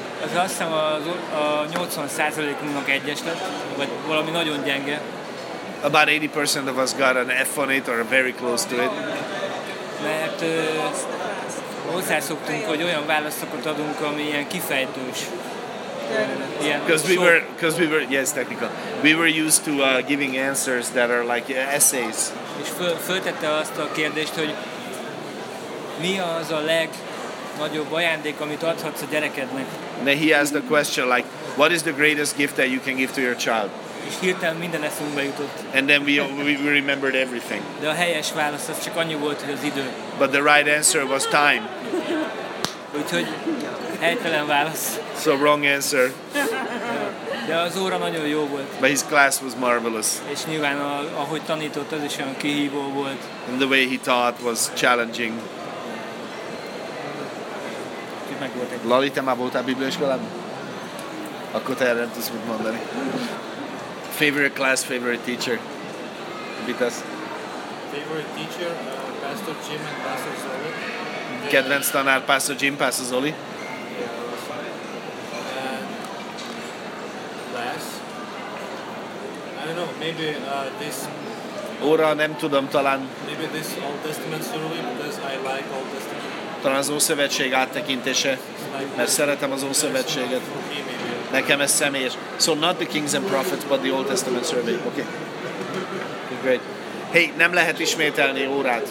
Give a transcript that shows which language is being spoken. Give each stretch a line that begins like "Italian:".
Hungarian: Az azt hiszem a 80%-unknak egyes lett, vagy valami nagyon gyenge.
English: About 80% of us got an F on it or very close to it.
Hungarian: Mert hozzászoktunk, hogy olyan válaszokat adunk, ami ilyen kifejtős.
English: Because we were, yes, technical. We were used to giving answers that are like essays.
Hungarian: És föltette azt a kérdést, hogy mi az a legnagyobb ajándék, amit adhatsz a gyerekednek?
English: And then he asked the question like, what is the greatest gift that you can give to your child?
Hungarian: És hirtelen minden eszünkbe jutott.
English: And then we remembered everything.
Hungarian: De a helyes válasz az csak annyi volt, hogy az idő.
English: But the right answer was time.
Hungarian: Úgyhogy helytelen válasz.
English: So wrong answer.
Hungarian: De az óra nagyon jó volt.
English: But his class was marvelous.
Hungarian: És nyilván ahogy tanított, az is olyan kihívó volt.
English: And the way he taught was challenging.
Hungarian: Lali, te már voltál bibliaiskolában? Akkor te nem tudsz mit mondani.
English: Favorite class, favorite teacher? Vitas? Favorite teacher, Pastor Jim and Pastor Zoli.
Hungarian: Yeah. Kedvenc tanár, Pastor Jim, Pastor Zoli?
English: Yeah, it was fine. And class? I don't know, maybe this...
Hungarian: Óra, nem tudom, talán...
English: Maybe this Old Testament story, because I like Old Testament.
Hungarian: Talán az Ószövetség áttekintése, mert szeretem az Ószövetséget. Nekem ez személyes.
English: So not the Kings and Prophets, but the Old Testament survey. Okay. Okay, great.
Hungarian: Hey, nem lehet ismételni órát.